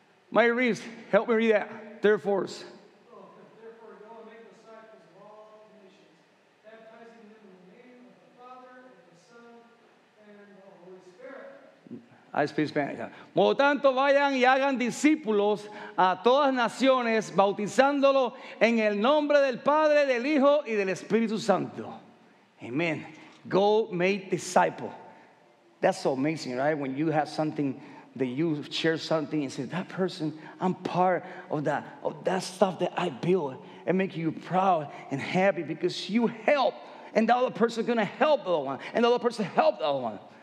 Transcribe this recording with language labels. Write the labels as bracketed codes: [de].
[en] My Reeves, help me read that. Therefore, go and make disciples of all nations, baptizing them in the name of the Father and the Son and the Holy Spirit. I speak Spanish. [es] Por tanto, vayan y hagan discípulos a todas naciones, bautizándolos en el nombre del Padre, del Hijo y del Espíritu Santo. [en] Amen. Go make disciple. That's so amazing, right? When you have something that you share something and say, that person, I'm part of that stuff that I build and make you proud and happy because you help. And the other person is going to help the other one. And the other person help the other one.